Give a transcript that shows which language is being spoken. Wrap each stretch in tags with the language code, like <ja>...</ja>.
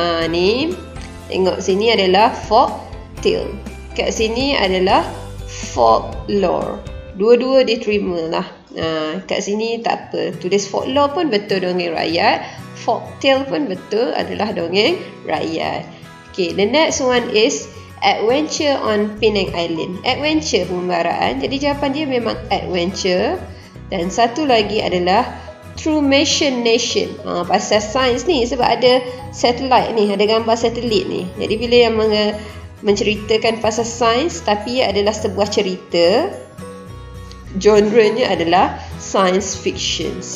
<ms>Ni tengok sini adalah folk tale. Kat sini adalah folklore. Dua-dua diterima lah. Kat sini tak apa. Tulis folklore pun betul dongeng rakyat. Folktale pun betul adalah dongeng rakyat.</ms> <en>Okay, the next one is adventure on Penang Island.</en> <ms>Adventure pembaharaan. Jadi jawapan dia memang adventure. Dan satu lagi adalah Trumation Nation. Pasal sains ni sebab ada satellite ni. Ada gambar satelit ni. Jadi bila yang menceritakan pasal sains tapi ia adalah sebuah cerita, genrenya adalah science fiction.</ms>